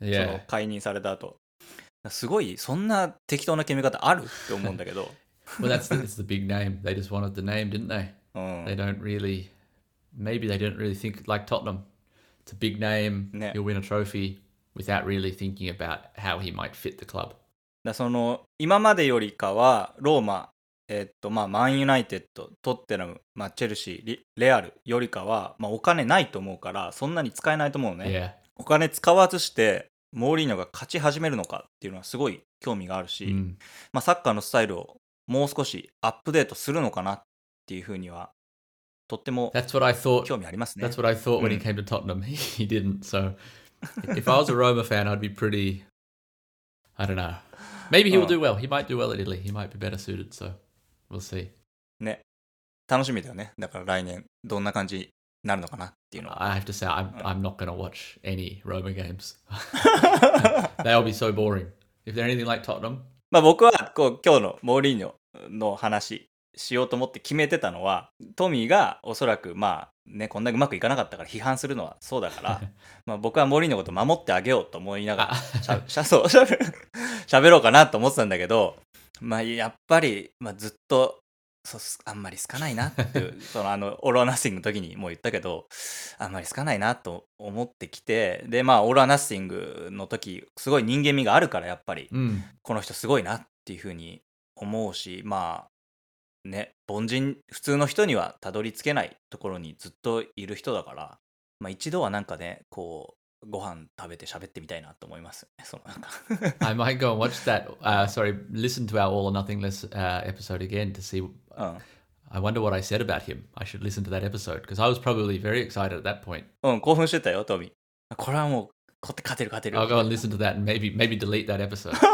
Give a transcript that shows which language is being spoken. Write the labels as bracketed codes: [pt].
[en] yeah. [ja] その解任された後、すごいそんな適当な決め方あるって思うんだけど。 [en] Well, that's the big name. They just wanted the name, didn't they? They don't really, maybe they didn't really think like Tottenham. It's a big name. He'll win a trophy without really thinking about how he might fit the club. [ja] だその今までよりかはローマ、まあマンユナイテッド、トッテナム、まあチェルシー、レアルよりかはまあお金ないと思うからそんなに使えないと思うね。 [en] Yeah. [ja] お金使わずしてモーリーニョが勝ち始めるのかっていうのはすごい興味があるし、うん、まあ、サッカーのスタイルをもう少しアップデートするのかなっていうふうにはとっても興味ありますね。 [en] That's what I thought when he came to Tottenham. He didn't. So if I was a Roma fan, I'd be pretty, I don't know. Maybe he will do well. He might do well at Italy. He might be better suited. So we'll see. [ja] ね、楽しみだよね。だから来年どんな感じになるのかなっていうの [en] は。I have to say, I'm not going to watch any Roma games. They'll be so boring. If they're anything like Tottenham. [ja] まあ僕はこう今日のモーリーニョの話しようと思って決めてたのは、トミーがおそらくまあね、こんなにうまくいかなかったから批判するのはそうだから、まあ僕はモーリーニョのこと守ってあげようと思いながら、喋ろうかなと思ってたんだけど、まあやっぱり、まあ、ずっと、そう、あんまり好かないなっていう、そのあの、オールオアナッシングの時にもう言ったけど、あんまり好かないなと思ってきて、で、まあ、オールオアナッシングの時、すごい人間味があるから、やっぱり、うん、この人すごいなっていうふうに思うし、まあ、ね、凡人、普通の人にはたどり着けないところにずっといる人だから、まあ、一度はなんかね、こう、ご飯食べて喋ってみたいなと思います。そのなんか [en] I might go and watch that. Sorry, listen to our All or Nothingless episode again to see. I wonder what I said about him. I should listen to that episode because I was probably very excited at that point. [ja] うん、興奮してたよ、トミー。これはもう勝てる勝てる。 [en] I'll go and listen to that and maybe delete that episode.